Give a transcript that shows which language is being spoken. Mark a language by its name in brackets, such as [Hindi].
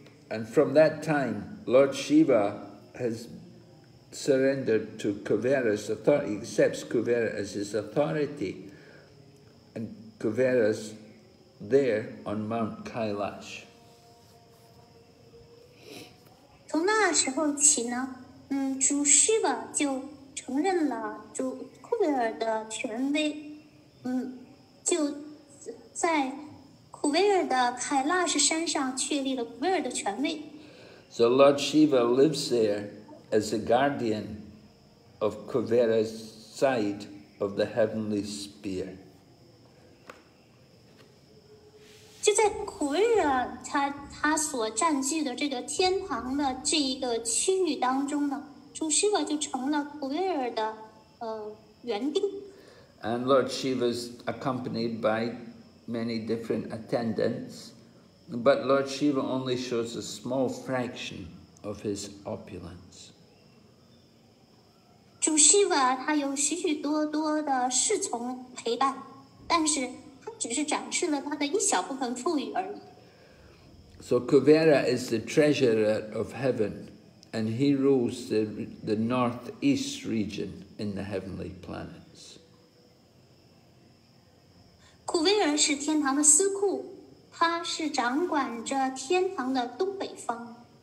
[English] And from that time, Lord Shiva has surrendered to Kuvera's authority, accepts Kuvera as his authority, and Kuvera's there on Mount Kailash. [Chinese] 从那时候起呢，主 Shiva 就承认了主库维尔的权威，就在库维尔的凯拉什山上确立了库维尔的权威。 [English] So Lord Shiva lives there as a guardian of Kuvera's side of the heavenly spear. [Chinese] 就在库维尔他所占据的这个天堂的这一个区域当中呢，主 Shiva 就成了库维尔的园丁。 [English] And Lord Shiva is accompanied by many different attendants, but Lord Shiva only shows a small fraction of his opulence. [Chinese] 主 Shiva 他有许许多多的侍从陪伴，但是他只是展示了他的一小部分富裕而已。 [English] So Kuvera is the treasurer of heaven, and he rules the northeast region in the heavenly planet. [Chinese] 库维尔是天堂的司库，他是掌管着天堂的东北方。